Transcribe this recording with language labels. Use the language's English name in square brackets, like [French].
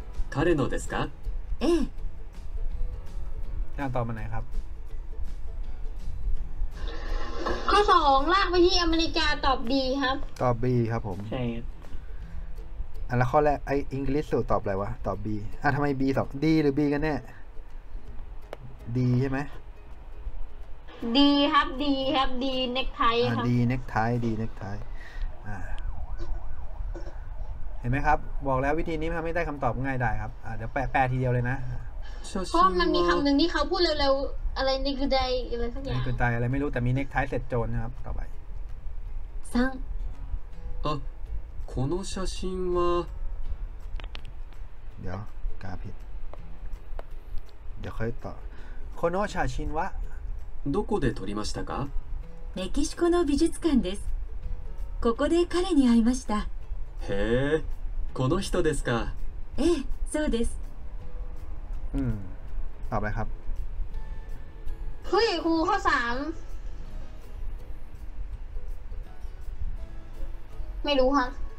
[Japanese] 彼のですかええ [Thai] じゃあ、ต่อมาไหนครับ ข้อ2ลากไปที่อเมริกาตอบ B ครับ ตอบ B ครับผม ใช่อ่ ะแล้วข้อแรกไอ้อังกฤษสูตรตอบอะไรวะตอบ B อ่ะทำไม B ตอบ D หรือ B กันแน่ D ใช่ไหม ดีครับดีครับดีเน็กไทครับ ดีเน็กไทดีเน็กไทเห็นไหมครับบอกแล้ววิธีนี้ทำให้ได้คำตอบง่ายได้ครับเดี๋ยวแปลทีเดียวเลยนะ เพราะมันมีคำหนึ่งที่เขาพูดเร็วๆอะไรนี่คือใจอะไรสักอ ย่าง นี่คือใอะไรไม่รู้แต่มีเน็กไทเสร็จโจนนะครับต่อไป สาม [Japanese] อ่ะこの写真は [Thai] เดี๋ยวกาผิดเดี๋ยวค่อยต่อ [Japanese] この写真はどこで撮りましたか？メキシコの美術館です。ここで彼に会いました。へえ、この人ですか？ええ、そうです。 [Thai] ต่อไปครับ。 เฮ้ยครูข้อ3。 ไม่รู้ครับ。